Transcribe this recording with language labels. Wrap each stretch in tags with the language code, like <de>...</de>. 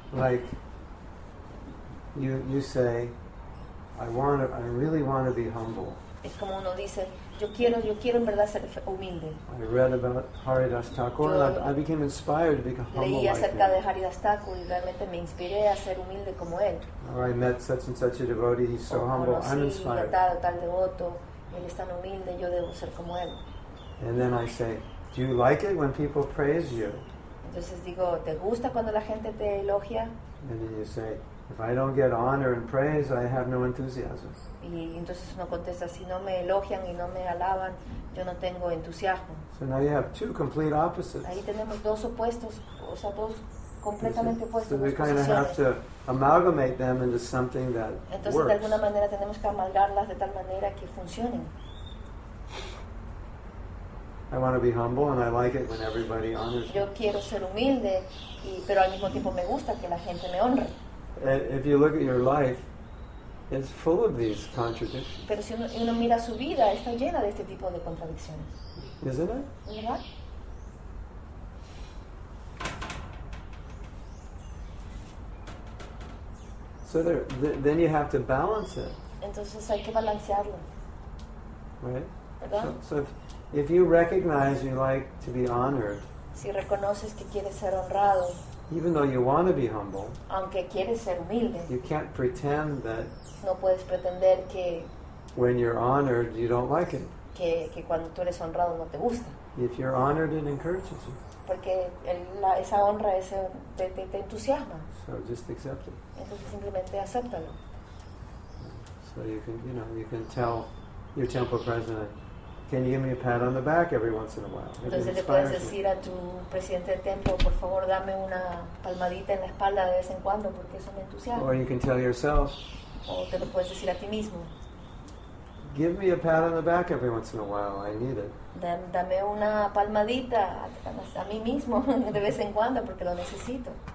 <en>like you say, I really want to be humble.</en> <es>Es como uno dice, yo quiero en verdad ser humilde.</es> <en>I read about Haridas Thakur, I became inspired to become humble.</en> <es>Leí acerca de Haridas Thakur y realmente me inspiré a ser humilde como él.</es> <en>Or I met such and such a devotee, he's so humble, I'm inspired.</en> <es>Conocí a tal devoto, él es tan humilde, yo debo ser como él.</es> <en>And then I say, do you like it when people praise you?</en> <es>Entonces digo, ¿te gusta cuando la gente te elogia?</es> <en>And then you say, if I don't get honor and praise, I have no enthusiasm.</en> <es>Y entonces uno contesta, si no me elogian y no me alaban, yo no tengo entusiasmo.</es> <en>So now you have two complete opposites.</en> <es>Ahí tenemos dos opuestos, o sea, dos completamente opuestos.</es> <en>So we kind of have to amalgamate them into something that</en> <es>entonces,</es> <en>works.</en> <es>De alguna manera tenemos que amalgarlas de tal manera que funcionen.</es> <en>I want to be humble and I like it when everybody honors me.</en> <es>Yo quiero ser humilde, pero al mismo tiempo me gusta que la gente me honre.</es> <en>If you look at your life, it's full of these contradictions.</en> <es>Pero si uno mira su vida, está llena de este tipo de contradicciones.</es> <en>Isn't it?</en> <es>¿Verdad?</es> <en>So then you have to balance it.</en> <es>Entonces hay que balancearlo.</es> <en>Right?</en> <es>¿Verdad?</es> <en>So if you recognize you like to be honored.</en> <es>Si reconoces que quieres ser honrado.</es> <en>Even though you want to be humble,</en> <es>aunque quieres ser humilde,</es> <en>you can't pretend that.</en> <es>No puedes pretender que.</es> <en>When you're honored, you don't like it.</en> <es>Que cuando tú eres honrado no te gusta.</es> <en>If you're honored, it encourages you.</en> <es>Porque esa honra te entusiasma.</es> <en>So just accept it.</en> <es>Entonces simplemente acéptalo.</es> <en>So you can tell your temple president. Can you give me a pat on the back every once in a while?</en> <es>Entonces le puedes decir a tu presidente del templo, por favor, dame una palmadita en la espalda de vez en cuando, porque eso me entusiasma.</es> <en>Or you can tell yourself.</en> <es>O te lo puedes decir a ti mismo.</es> <en>Give me a pat on the back every once in a while. I need it.</en> <es>Dame una palmadita a mí mismo de vez en cuando, porque lo necesito.</es>